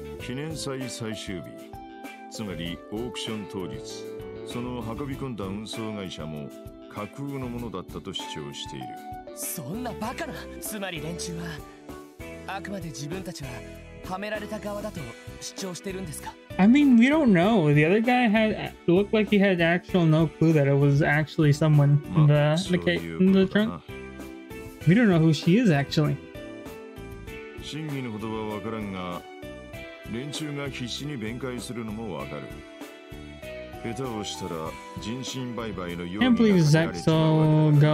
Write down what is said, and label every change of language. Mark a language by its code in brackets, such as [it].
[ja] 記念祭最終日、つまりオークション当日、その運び込んだ運送会社も架空のものだったと主張している。そんなバカな。つまり連中はあくまで自分たちははめられた側だと主張してるんですか。 [en] I mean, we don't know. The other guy had looked like he had actual no clue that it was actually someone in the trunk. We don't know who she is actually. [ja] 真偽のことはわからんが、連中が必死に弁解するのもわかる。下手をしたら人身売買の容疑がかかれちまう。